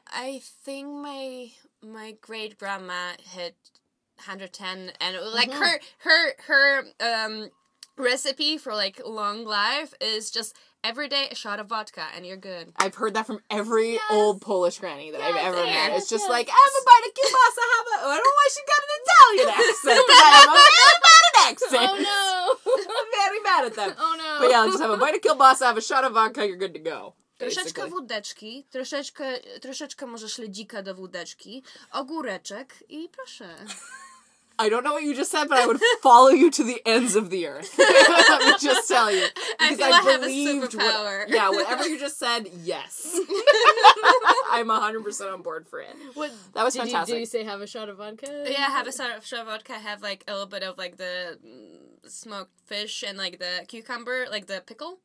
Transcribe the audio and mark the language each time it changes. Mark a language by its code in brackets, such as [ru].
[en] I think my great-grandma hit 110, and, like, her recipe for, like, long life is just every day a shot of vodka and you're good. I've heard that from every old Polish granny that I've ever met. It's just like, have a bite of kielbasa, have a... Oh, I don't know why she got an Italian accent, but I am very bad at accents. Oh, no. I'm very bad at them. Oh, no. But yeah, just have a bite of kielbasa, have a shot of vodka, you're good to go. [pl] Troszeczkę wódeczki, troszeczkę może śledzika do wódeczki, ogóreczek I proszę. [en] I don't know what you just said, but I would follow you to the ends of the earth. Let me just tell you. I feel I have a superpower. Whatever you just said, yes. I'm 100% on board for it. That was fantastic. Did you say have a shot of vodka? Yeah, have a shot of vodka. Have, like, a little bit of, like, the smoked fish and, like, the cucumber, like, the pickle.